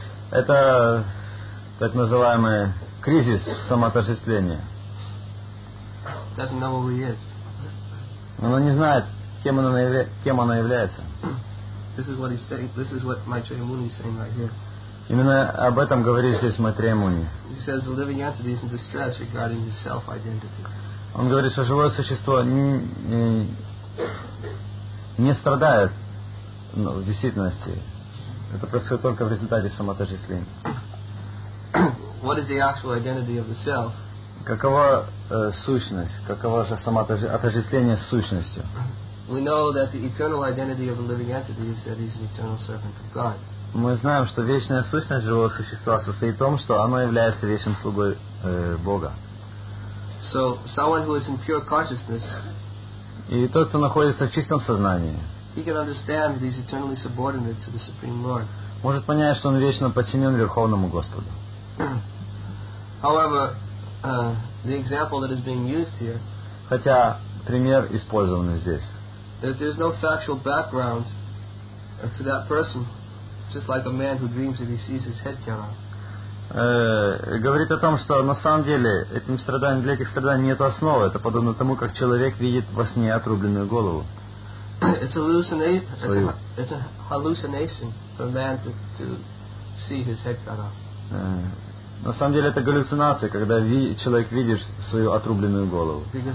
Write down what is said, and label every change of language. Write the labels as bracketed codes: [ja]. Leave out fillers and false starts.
[ru] Это так называемый кризис самоотождествления. [en] Doesn't know who he is. [ru] Оно не знает, кем оно является. [en] This is what he's saying. This is what Maitreya Muni is saying right here. [ru] Именно об этом говорит здесь Maitreya Muni. [en] He says the living entity is in distress regarding his self-identity. [ru] Он говорит, что живое существо не страдает в действительности. Это происходит только в результате самоотождествления. [en] What is the actual identity of the self? [ru] Какова сущность? Каково же самоотождествление с сущностью? [en] We know that the eternal identity of a living entity is that he's an eternal servant of God. [ru] Мы знаем, что вечная сущность живого существа состоит в том, что оно является вечным слугой Бога. [en] So, someone who is in pure consciousness, [ru] и тот, кто находится в чистом сознании, [en] he can understand that he's eternally subordinate to the Supreme Lord. [ru] Может понять, что он вечно подчинен Верховному Господу. [en] However, the example that is being used here. [ru] Хотя пример использован здесь. [en] That there's no factual background to that person, just like a man who dreams that he sees his head cut off. [ru] говорит о том, что на самом деле этим страданием, для этих страданий нет основы. Это подобно тому, как человек видит во сне отрубленную голову. На самом деле это галлюцинация, когда человек видит свою отрубленную голову.